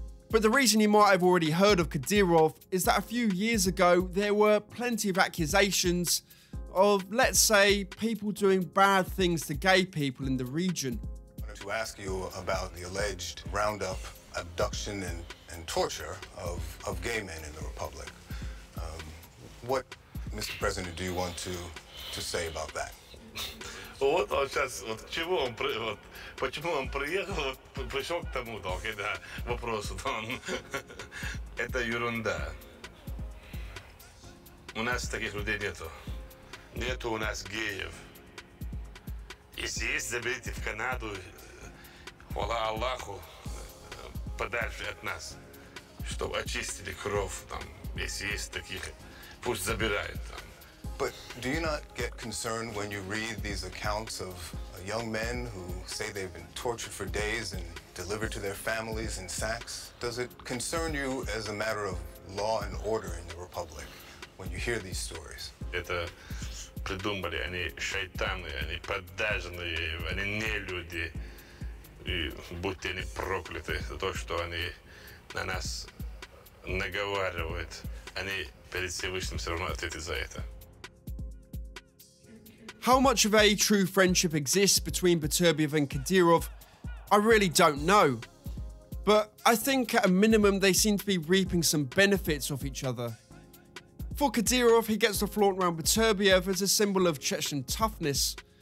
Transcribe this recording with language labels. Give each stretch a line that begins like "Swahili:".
English: But the reason you might have already heard of Kadyrov is that a few years ago, there were plenty of accusations of, let's say, people doing bad things to gay people in the region. I wanted to ask you about the alleged roundup, abduction and torture of gay men in the Republic. What, Mr. President, do you want to say about that?
Ukrainian: От, от зараз, от чому вам при, от, по чому вам приїхав, прийшов
Russian: к тому, так, да, вопрос, там, это ерунда. У нас таких людей нету. Нету у нас геев. Если есть, заберите в Канаду, хвала Аллаху, подальше от нас, чтобы очистили кровь, там, если есть таких, пусть забирают, там.
English: But do you not get concerned when you read these accounts of young men who say they've been tortured for days and delivered to their families in sacks? Does it concern you as a matter of law and order in the Republic when you hear these stories?
Russian: Это придумали, они шайтаны, они подаженные, они не люди. И будьте они прокляты за то, что они на нас наговаривают. Они перед Всевышним все равно ответят за это.
English: How much of a true friendship exists between Beterbiev and Kadyrov, I really don't know. But I think at a minimum they seem to be reaping some benefits off each other. For Kadyrov, he gets to flaunt around Beterbiev as a symbol of Chechen toughness.